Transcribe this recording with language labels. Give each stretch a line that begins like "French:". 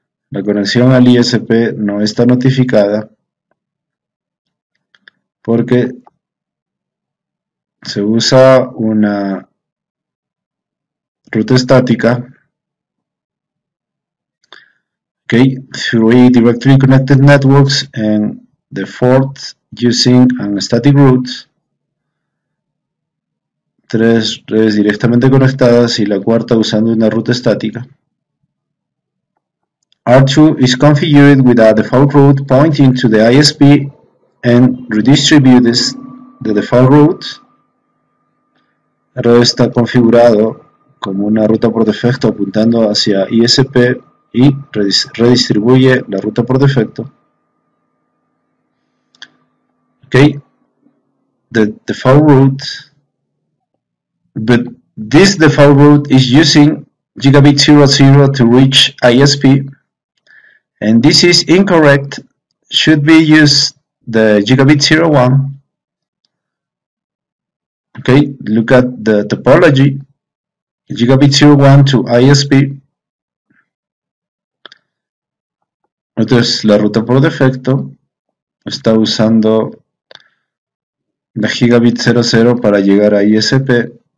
Spanish: La conexión al ISP no está notificada porque se usa una ruta estática.
English: Okay, three directly connected networks and the fourth using a static route.
Spanish: Tres redes directamente conectadas y la cuarta usando una ruta estática.
English: R2 is configured with a default route pointing to the ISP and redistributes the default route.
Spanish: R2 está configurado como una ruta por defecto apuntando hacia ISP y redistribuye la ruta por defecto.
English: Okay, the default route, but this default route is using gigabit 0.0 to reach ISP. And this is incorrect, should be used the gigabit 0.1. Okay, look at the topology, gigabit 0.1 to ISP.
Spanish: Entonces, la ruta por defecto está usando la gigabit 0.0 para llegar a ISP.